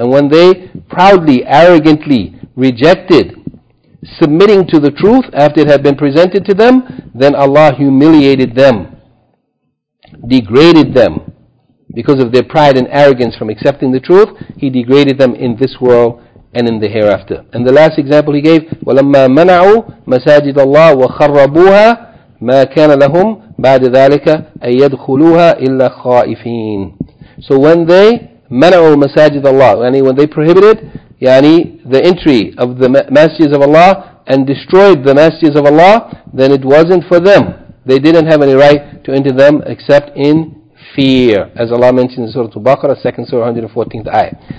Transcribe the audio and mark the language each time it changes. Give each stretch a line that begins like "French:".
English: And when they proudly, arrogantly rejected submitting to the truth after it had been presented to them, then Allah humiliated them, degraded them because of their pride and arrogance from accepting the truth. He degraded them in this world and in the hereafter. And the last example he gave,
Arabic: وَلَمَّا مَنَعُوا مَسَاجِدَ اللَّهِ وَخَرَّبُوهَا مَا كَانَ لَهُمْ بَعْدَ ذَلِكَ أَن يَدْخُلُوهَا إِلَّا خَائِفِينَ.
English: So when they
Arabic: مَنَعُوا مَسَاجِدَ اللَّهِ,
English: yani when they prohibited yani the entry of the masjids of Allah and destroyed the masjids of Allah, then it wasn't for them. They didn't have any right to enter them except in fear, as Allah mentions in Surah Al-Baqarah, 2nd Surah, 114th ayah.